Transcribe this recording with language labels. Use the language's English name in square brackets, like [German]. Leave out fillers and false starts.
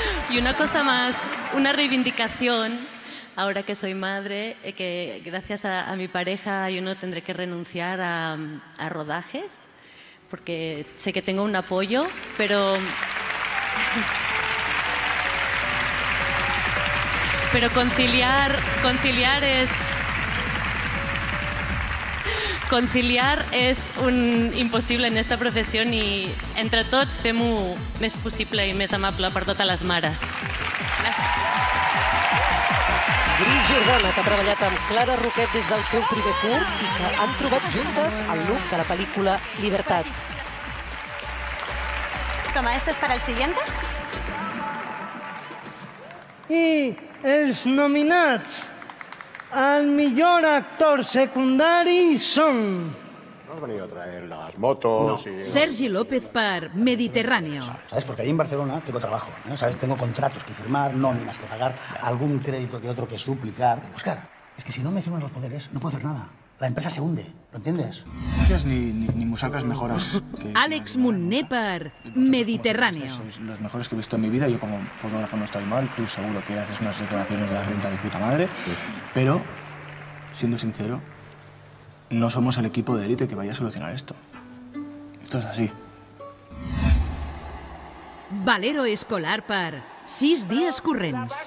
[Spanish] Y una cosa más, una reivindicación, ahora que soy madre, que gracias a mi pareja yo no tendré que renunciar a rodajes, porque sé que tengo un apoyo, pero... [Catalan] Pero conciliar és un impossible en esta professió i entre tots fem-ho més possible i més amable per totes les mares. Gris Jordana, que ha treballat amb Clara Roquet des del seu primer curt i que han trobat juntes el look de la pel·lícula Libertat. [Spanish] Toma, esto es para el siguiente. Y... [Catalan] Els nominats al millor actor secundari són... [Spanish] No has venido a traer las motos... [Catalan] Sergi López per Mediterráneo. [Spanish] ¿Sabes? Porque ahí en Barcelona tengo trabajo. ¿Sabes? Tengo contratos que firmar, nóminas que pagar, algún crédito que otro que suplicar. Óscar, es que si no me firman los poderes, no puedo hacer nada. La empresa se hunde, ¿lo entiendes? Ni musacas mejoras. [Catalan] Àlex Munné per Mediterráneo. [Spanish] Sois los mejores que he visto en mi vida. Yo como fotógrafo no estoy mal. Tú seguro que haces unas declaraciones de la renta de puta madre. Pero, siendo sincero, no somos el equipo de élite que vaya a solucionar esto. Esto es así. [Catalan] Valero escolar per 6 dies corrents.